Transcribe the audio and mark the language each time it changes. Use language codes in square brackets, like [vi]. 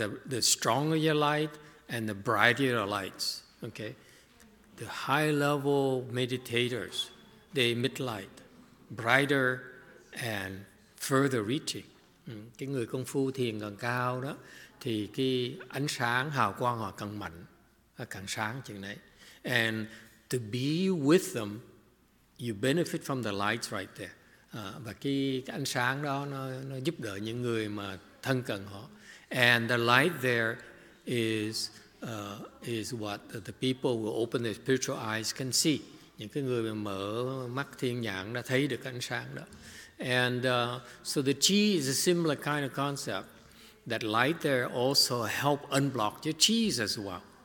[en] The stronger your light and the brighter your lights. Okay. The high level meditators, they emit light, brighter and further reaching. [vi] Cái người công phu thiền càng cao đó, thì cái ánh sáng hào quang họ càng mạnh, càng sáng chừng này. [en] And to be with them, you benefit from the lights right there. [vi] Và cái ánh sáng đó nó giúp đỡ những người mà thân cận họ. [en] And the light there is what the people who open their spiritual eyes can see. [vi] Những cái người mà mở mắt thiên nhãn đã thấy được ánh sáng đó. [en] And so the chi is a similar kind of concept. That light there also help unblock your chi as well.